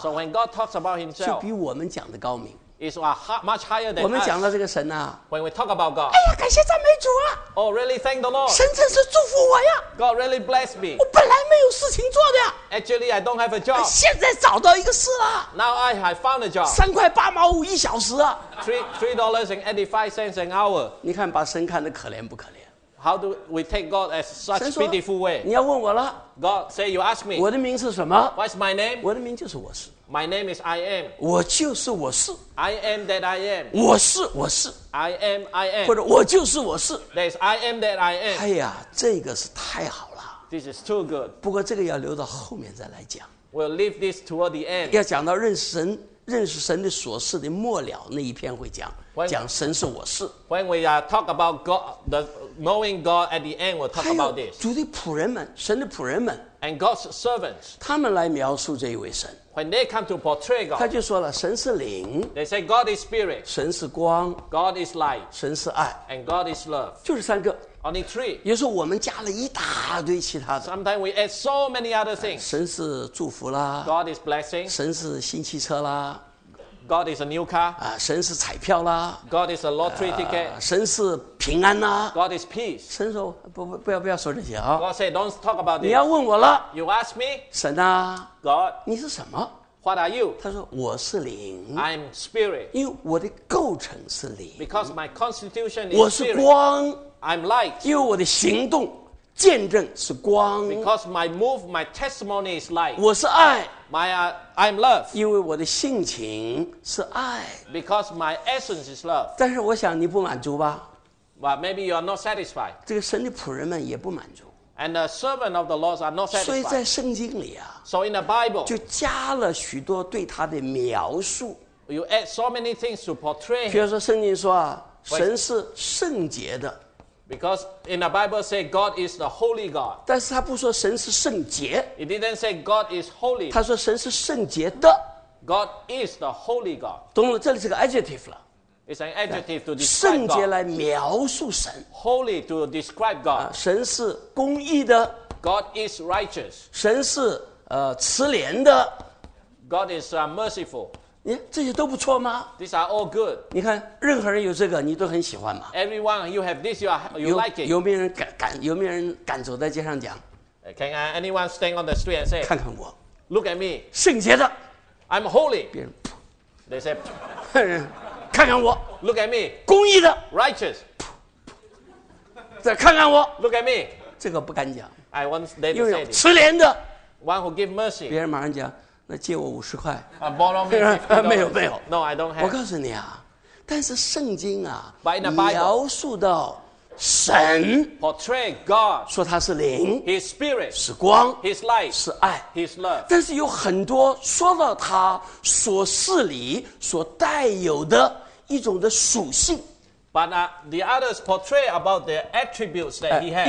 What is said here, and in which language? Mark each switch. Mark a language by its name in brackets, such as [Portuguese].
[English] ，So when God talks about himself, [Chinese] 就比我们讲的高明。 [English] Is much higher than us. [Chinese] 我们讲到这个神啊 [English] ，When we talk about God, [Chinese] 哎呀，感谢赞美主啊 [English] ！Oh, really thank the Lord. [Chinese] 神真是祝福我呀 [English] ！God really bless me. [Chinese] 我本来没有事情做的呀 [English] ，Actually, I don't have a job. [Chinese] 现在找到一个事啦 [English] ！Now I have found a job. [Chinese] 3.85一小时啊 [English] $3.85 an hour. [Chinese] 你看把神看得可怜不可怜？ [English] How do we take God as such pitiful way? [Chinese] 你要问我了。 [English] God say you ask me. [Chinese] 我的名是什么 [English] ？What's my name? [Chinese] 我的名就是我是。 [English] My name is I am. [Chinese] 我就是我是。 [English] I am that I am. [Chinese] 我是我是。 [English] I am I am. [Chinese] 或者我就是我是。 [English] That is I am that I am. [Chinese] 哎呀，这个是太好了。 [English] This is too good. [Chinese] 不过这个要留到后面再来讲。 [English] We'll leave this toward the end. [Chinese] 要讲到认识神的琐事的末了那一篇会讲。讲神是我是。 [English] When we talk about God, the knowing God at the end, we'll talk about this. [Chinese] 主的仆人们，神的仆人们 [English] ，and God's servants, [Chinese] 他们来描述这一位神。 [English] When they come to portray God, [Chinese] 他就说了，神是灵。 [English] They say God is spirit. [Chinese] 神是光。 [English] God is light. [Chinese] 神是爱。 [English] And God is love. [Chinese] 就是三个。 [English] Only three. [Chinese] 也是我们加了一大堆其他的。 [English] Sometimes we add so many other things. [Chinese] 神是祝福啦。 [English] God is blessing. [Chinese] 神是新汽车啦。 [English] God is a new car. [Chinese] 神是彩票啦。 [English] God is a lottery ticket. [Chinese] 神是平安啦。 [English] God is peace. [Chinese] 神说不要说这些啊。 [English] God say don't talk about this. [Chinese] 你要问我了。 [English] You ask me. [Chinese] 神啊。 [English] God. [Chinese] 你是什么 [English] ？What are you? [Chinese] 他说我是灵。 [English] I'm spirit. [Chinese] 因为我的构成是灵。 [English] Because my constitution is. [Chinese] 我是光。 [English] I'm light. [Chinese] 因为我的行动见证是光。 [English] Because my move, my testimony is light. [Chinese] 我是爱。 [English] I'm love. [Chinese] 因为我的性情是爱。 [English] Because my essence is love. [Chinese] 但是我想你不满足吧 [English] ？But maybe you are not satisfied. [Chinese] 这个神的仆人们也不满足。 [English] And the servant of the Lord are not satisfied. [Chinese] 所以在圣经里啊 [English] ，So in the Bible, [Chinese] 就加了许多对他的描述。 [English] You add so many things to portray. [Chinese] 比如说圣经说啊，神是圣洁的。 [English] Because in the Bible say God is the holy God. [Chinese] 但是他不说神是圣洁。 [English] It didn't say God is holy. [Chinese] 他说神是圣洁的。 [English] God is the holy God. [Chinese] 懂了，这里是个 adjective 了。 [English] It's an adjective to describe God. [Chinese] 圣洁来描述神。 [English] Holy to describe God. [Chinese] 神是公义的。 [English] God is righteous. [Chinese] 神是慈怜的。 [English] God is merciful. [Chinese] 这些都不错吗 [English] ？These are all good. [Chinese] 你看，任何人有这个，你都很喜欢嘛 [English] ？Everyone, you have this, you like it. [Chinese] 有没有人有没有人敢走在街上讲 [English] ？Can anyone stand on the street and say? [Chinese] 看看我 [English] ，Look at me. [Chinese] 圣洁的 [English] ，I'm holy. [Chinese] 别人 [English] ，They say. [Chinese] 看看我 [English] ，Look at me. [Chinese] 公义的 [English] ，Righteous. [Chinese] 再看看我 [English] ，Look at me. [Chinese] 这个不敢讲 [English] ，I want them to say. [Chinese] 又有慈怜的 [English] ，One who give mercy. [Chinese] 别人马上讲。那借我五十块 [English] borrow me [Chinese] 没有没有 [English] No, I don't have. [Chinese] 我告诉你啊但是圣经啊 [English] Bible, [Chinese] 描述到神 [English] portray God, [Chinese] 说他是灵 [English] His spirit, [Chinese] 是光 [English] His light, [Chinese] 是爱 [English] His love. [Chinese] 但是有很多说到他所事理所带有的一种的属性 [English] But the others portray about the attributes that he has